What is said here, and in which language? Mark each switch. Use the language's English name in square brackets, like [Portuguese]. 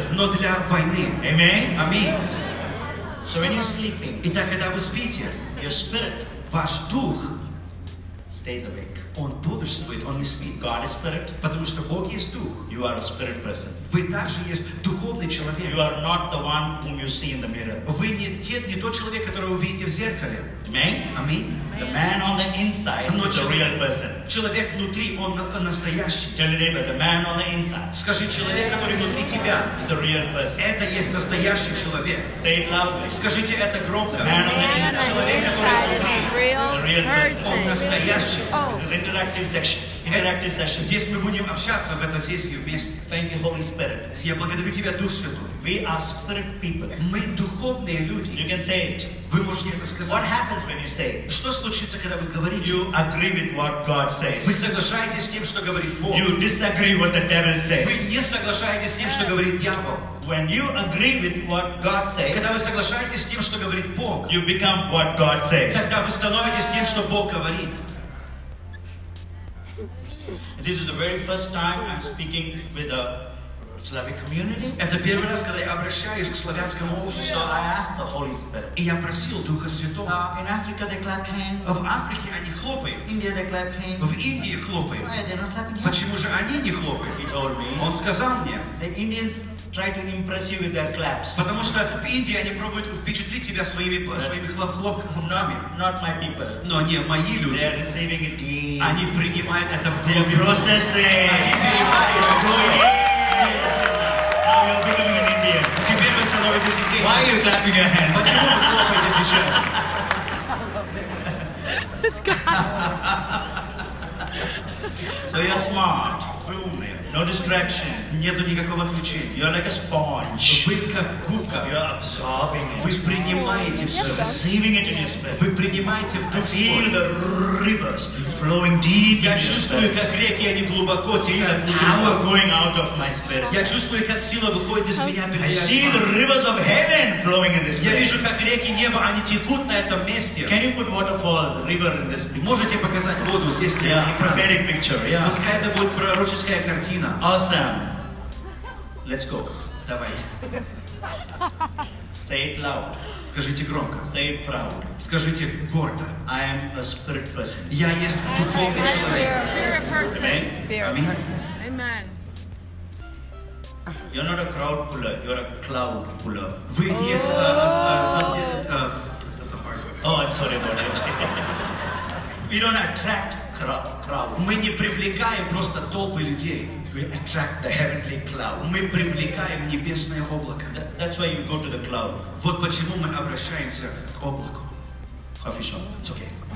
[Russian] Но для войны. [English] Amen. [Russian] Аминь. [English] So when you're sleeping. [Russian] Итак, когда вы спите. [English] Your spirit. [Russian] Ваш дух. [English] Stays awake. [Russian] Он бодрствует, он не спит. [English] God is spirit. [Russian] Потому что Бог есть дух. [English] You are a spirit person. [Russian] Вы также есть духовный человек. [English] You are not the one whom you see in the mirror. [Russian] Вы не тот человек, которого вы видите в зеркале. [English] Amen. Amen. The man on the inside is a real person. [Russian] Человек внутри, он настоящий. [English] Tell your neighbor, the man on the inside. [Russian] Скажи, человек, который внутри тебя, [English] is the real person. [Russian] Это есть настоящий человек. [English] Say it loudly. [Russian] Скажите это громко. [English] The man on the inside is a real person. [Russian] Он настоящий. [English] This is interactive section. interactive session. [Russian] Здесь мы будем общаться в этой сессии вместе. [English] Thank you, Holy Spirit. [Russian] Я благодарю тебя, Дух Святой. [English] We are spirit people. [Russian] Мы духовные люди. [English] You can say it. [Russian] Вы можете это сказать. [English] What happens when you say it? [Russian] Что случится, когда вы говорите? [English] You agree with what God says. [Russian] Вы соглашаетесь с тем, что говорит Бог. [English] You disagree with what the devil says. [Russian] Вы не соглашаетесь с тем, что говорит дьявол. [English] When you agree with what God says, [Russian] когда вы соглашаетесь с тем, что говорит Бог, [English] you become what God says. [Russian] Тогда вы становитесь тем, что Бог говорит. [English] This is the very first time I'm speaking with a Slavic community. [Russian] Это первый раз, когда я обращаюсь к славянскому обществу. [English] I asked the Holy Spirit. [Russian] И я просил Духа Святого. [English] In Africa they clap hands. [Russian] В Африке они хлопают. [English] India they clap hands. [Russian] В Индии хлопают. [English] Why they're not clapping? [Russian] Почему же они не хлопают? [English] He told me. [Russian] Он сказал мне. [English] The Indians try to impress you with their claps. [Russian] Потому что в Индии они пробуют впечатлить тебя своими хлопками. [English] Not my people. [Russian] Но не мои люди. [English] They are receiving it. [Russian] Они принимают это в глубину. [English] They're processing. Now you're becoming an Indian. [Russian] Теперь вы становитесь индейцем. [English] Why are you clapping your hands? [Russian] Почему вы хлопаете сейчас? [English] It's good. So you're smart. No distraction. [Russian] Нету никакого отвлечения. [English] You're like a sponge. [Russian] Вы как губка. [English] You're absorbing it. [Russian] Вы принимаете все. [English] Receiving it in your spirit. [Russian] Вы принимаете в дух свой. [English] Feel the rivers flowing deep in your spirit. [Russian] Я чувствую, как реки, они глубоко текут. [English] Power going out of my spirit. [Russian] Я чувствую, как сила выходит из меня. [English] I see the rivers of heaven flowing in this spirit. [Russian] Я вижу, как реки неба, они текут на этом месте. [English] Can you put waterfalls, river in this picture? [Russian] Можете показать воду здесь? [English] Yeah. Prophetic picture. Yeah. [Russian] Пускай это будет пророческая картина. [English] Awesome. Let's go. [Russian] Давайте. [English] Say it loud. [Russian] Скажите громко. [English] Say it proud. [Russian] Скажите гордо. [English] I am a spirit person. [Russian] Я есть духовный человек. [English] Spirit person. Amen. Amen. You're not a crowd puller. You're a cloud puller. [Russian] Вы не. [English] That's a hard word. Oh, I'm sorry about that. We don't attract. [Russian] Мы не привлекаем просто толпы людей. [English] We attract the heavenly cloud. [Russian] Мы привлекаем небесное облако. [English] That's why you go to the cloud. [Russian] Вот почему мы обращаемся к облаку. [English] Coffee shop. It's okay.